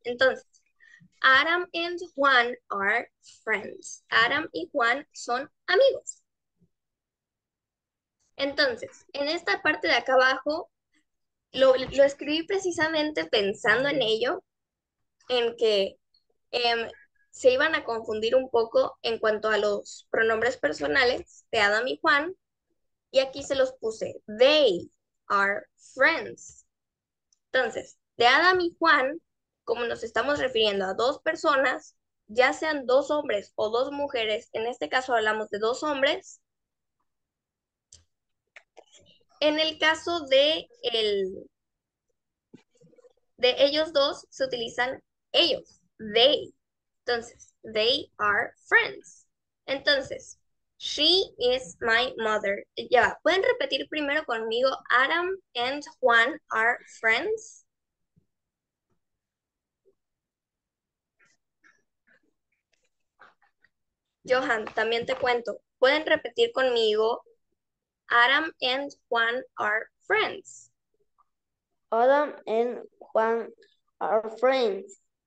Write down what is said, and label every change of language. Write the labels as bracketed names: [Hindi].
[English] Entonces, Adam and Juan are friends. [Spanish] Adam y Juan son amigos. Entonces, en esta parte de acá abajo, lo escribí precisamente pensando en ello, en que se iban a confundir un poco en cuanto a los pronombres personales de Adam y Juan, y aquí se los puse, [English] they are friends. [Spanish] Entonces, de Adam y Juan, como nos estamos refiriendo a dos personas, ya sean dos hombres o dos mujeres, en este caso hablamos de dos hombres. En el caso de ellos dos, se utilizan ellos, they. [English] Entonces, they are friends. Entonces, she is my mother. [Spanish] Ya, ¿pueden repetir primero conmigo? [English] Adam and Juan are friends. [Spanish] Johan, también te cuento. ¿Pueden repetir conmigo? [English] Adam and Juan are friends. Adam and Juan are friends.